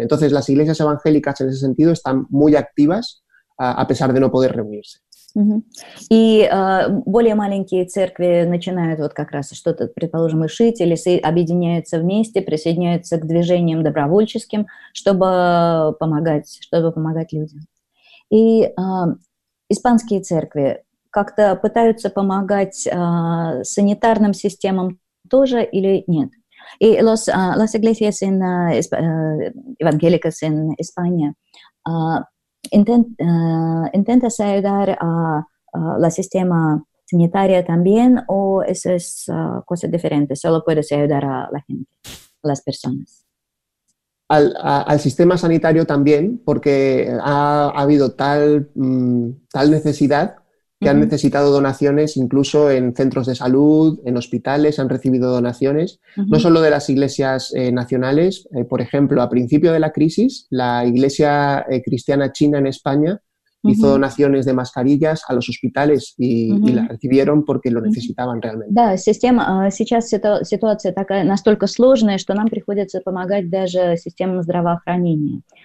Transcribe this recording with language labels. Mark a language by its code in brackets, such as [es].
[es] Entonces, las iglesias evangélicas en ese sentido están muy activas a pesar de no poder reunirse. [ru] И более маленькие церкви начинают вот как раз что-то, предположим, и шить, или объединяются вместе, присоединяются к движениям добровольческим, чтобы помогать людям. И испанские церкви как-то пытаются помогать санитарным системам тоже или нет? [es] И las iglesias evangélicas en España intenta ayudar a la sistema sanitaria también o eso es cosa diferente, solo puedes ayudar a la gente, a las personas. Al sistema sanitario también, porque ha habido tal necesidad que han necesitado donaciones, incluso en centros de salud, en hospitales han recibido donaciones, no solo de las iglesias nacionales. Por ejemplo, a principio de la crisis, la iglesia cristiana china en España hizo donaciones de mascarillas a los hospitales y las recibieron porque lo necesitaban realmente. [ru] Да, система, сейчас ситуация такая настолько сложная, что нам приходится помогать даже системам здравоохранения.